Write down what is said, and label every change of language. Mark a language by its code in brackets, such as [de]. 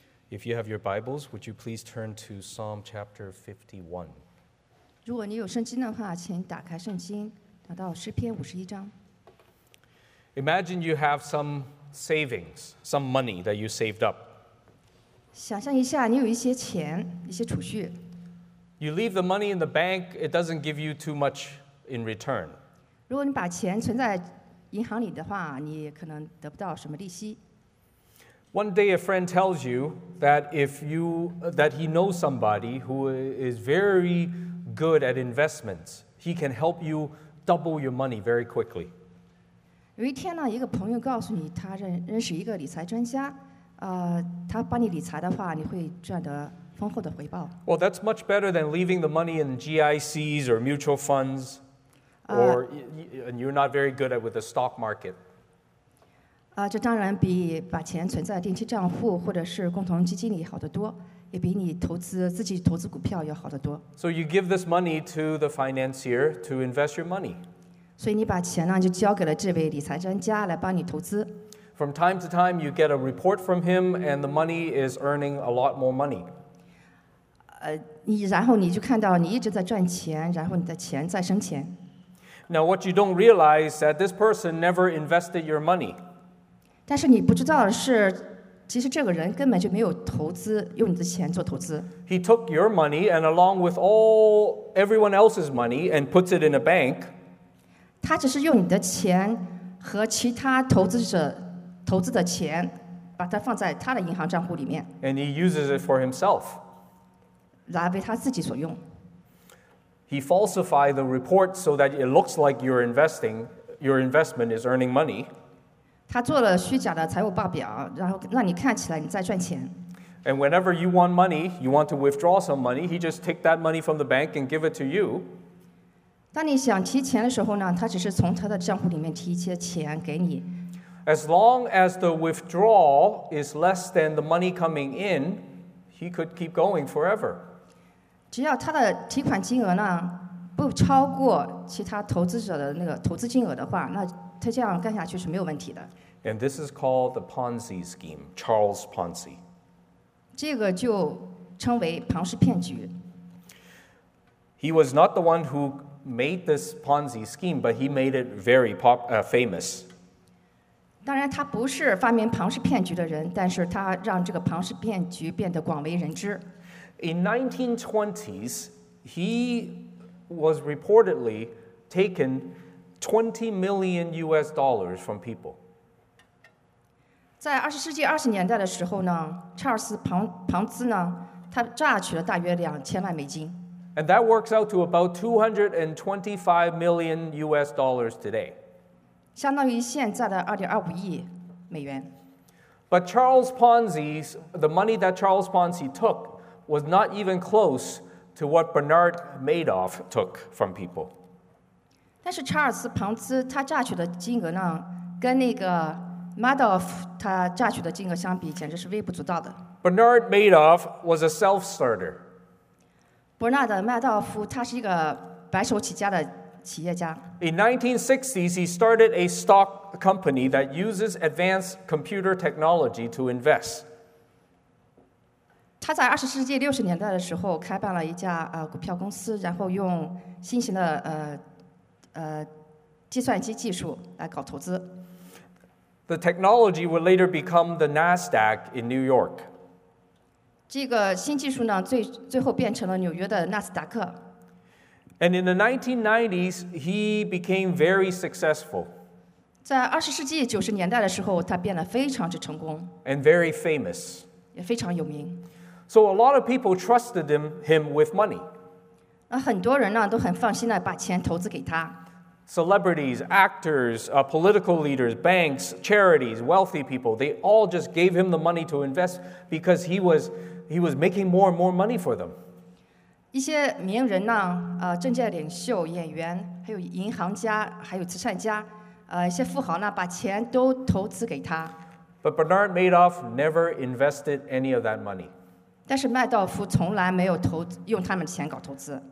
[en] If you have your Bibles, would you please turn to Psalm chapter 51? [zh] 如果你有圣经的话，请打开圣经，拿到诗篇五十一章。 [en] Imagine you have some savings, some money that you saved up. [zh] 想象一下，你有一些钱，一些储蓄。 [en] You leave the money in the bank, it doesn't give you too much in return. [zh] 如果你把钱存在银行里的话，你可能得不到什么利息。 [en] One day, a friend tells you that that he knows somebody who is very good at investments. He can help you double your money very quickly. [zh] 有一天呢，一个朋友告诉你，他认识一个理财专家，他帮你理财的话，你会赚得丰厚的回报。 [en] Well, that's much better than leaving the money in GICs or mutual funds. And you're not very good at with the stock market. [zh] 这当然比把钱存在定期账户或者是共同基金里好得多，也比你自己投资股票要好得多。 [en] So you give this money to the financier to invest your money. [zh] 所以你把钱呢就交给了这位理财专家来帮你投资。 [en] From time to time, you get a report from him, and the money is earning a lot more money. [zh] 然后你就看到你一直在赚钱，然后你的钱在生钱。 [en] Now, what you don't realize is that this person never invested your money. [zh] 但是你不知道的是，其实这个人根本就没有投资，用你的钱做投资。 [en] He took your money and along with everyone else's money and puts it in a bank. [zh] 他只是用你的钱和其他投资者投资的钱，把它放在他的银行账户里面。 [en] And he uses it for himself. [zh] 来为他自己所用。 [en] He falsified the report so that it looks like your investment is earning money. [zh] 他做了虚假的财务报表，然后让你看起来你在赚钱。 [en] And whenever you want money, you want to withdraw some money, he just take that money from the bank and give it to you. [zh] 当你想提钱的时候呢，他只是从他的账户里面提一些钱给你。 [en] As long as the withdrawal is less than the money coming in, he could keep going forever. [zh] 只要他的提款金额呢不超过其他投资者的那个投资金额的话，那他这样干下去是没有问题的。 [en] And this is called the Ponzi scheme, Charles Ponzi. [zh] 这个就称为庞氏骗局。 [en] He was not the one who made this Ponzi scheme, but he made it very famous. [zh] 当然他不是发明庞氏骗局的人，但是他让这个庞氏骗局变得广为人知。 [en] In 1920s, he was reportedly taken $20 million from people. [zh] 在二十世纪二十年代的时候呢，查尔斯庞兹呢，他榨取了大约$2,000,000. [en] And that works out to about $225 million today. [zh] 相当于现在的2.25亿美元。 [en] But the money that Charles Ponzi took. Was not even close to what Bernard Madoff took from people. [zh] 但是查尔斯庞兹他榨取的金额呢，跟那个 Madoff 他榨取的金额相比，简直是微不足道的。 [en] Bernard Madoff was a self-starter. [zh] 伯纳德·麦道夫他是一个白手起家的企业家。 [en] In 1960s, he started a stock company that uses advanced computer technology to invest. [zh] 他在二十世纪六十年代的时候开办了一家股票公司，然后用新型的计算机技术来搞投资。 [en] The technology would later become the Nasdaq in New York. [zh] 这个新技术呢，最后变成了纽约的纳斯达克。 [en] And in the 1990s, he became very successful. [zh] 在二十世纪九十年代的时候，他变得非常之成功。 [en] And very famous. [zh] 也非常有名。 [en] So a lot of people trusted him with money. [zh] 很多人呢都很放心地把钱投资给他。 [en] Celebrities, actors, political leaders, banks, charities, wealthy people, they all just gave him the money to invest because he was making more and more money for them. [zh] 一些名人呢, 政界领袖, 演员, 还有银行家, 还有慈善家, 一些富豪呢, 把钱都投资给他。 [en] But Bernard Madoff never invested any of that money. [zh] 但是麦道夫从来没有投, 用他们的钱搞投资。